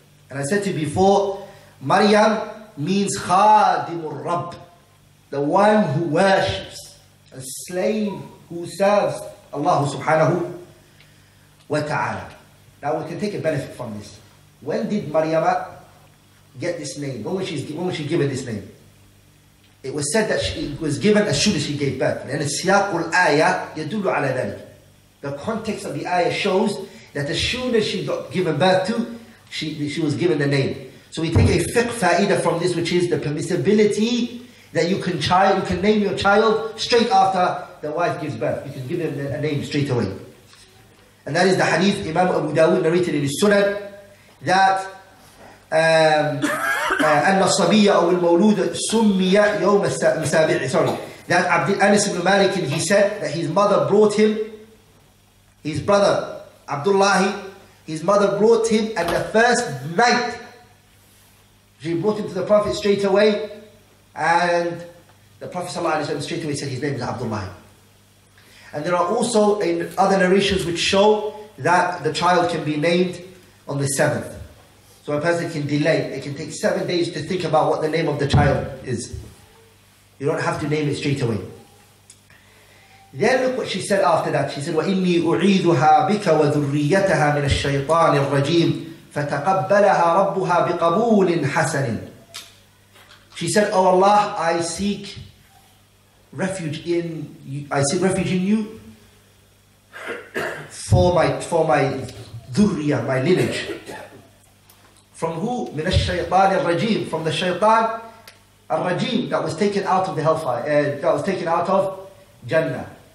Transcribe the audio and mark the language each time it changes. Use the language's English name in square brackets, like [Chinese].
[English] And I said to you before, مَرْيَمْ means [Arabic] خَادِمُ الرَّبِّ, [English] the one who worships, a slave who serves Allah subhanahu wa ta'ala. Now we can take a benefit from this. When did مَرْيَمْ get this name? When was she given this name? It was said that she was given as soon as she gave birth. [Arabic] لأن السياق الآية يدل على ذلك. [English] The context of the ayah shows that as soon as she got given birth to, she was given the name. So we take a fiqh fa'idah from this, which is the permissibility that you can name your child straight after the wife gives birth. You can give them a name straight away. And that is the hadith Imam Abu Dawud narrated in his sunan that [Arabic] أَنَّ الصَّبِيَّ أَوْ الْمَوْلُودَ سُمِّيَ يَوْمَ السَّابِعِ. [English] Sorry. That Abdul Anas ibn Malik, he said that his mother brought him, his brother Abdullah, his mother brought him at the first night. She brought him to the Prophet straight away, and the Prophet ﷺ straight away said his name is Abdullah. And there are also in other narrations which show that the child can be named on the 7th. So a person can delay. It can take 7 days to think about what the name of the child is. You don't have to name it straight away. Then look what she said after that. She said, [Arabic] وَإِنِّي أُعِيذُهَا بِكَ وَذُرِّيَّتَهَا مِنَ الشَّيْطَانِ الرَّجِيمِ فَتَقَبَّلَهَا رَبُّهَا بِقَبُولٍ حَسَنٍ. [English] She said, oh Allah, I seek refuge in you for my dhurriya, my lineage. From who? [Arabic] مِنَ الشَّيْطَانِ الرَّجِيمِ, [English] from the shaytan الرَّجِيمِ, that was taken out of the hellfire, that was taken out of Jannah.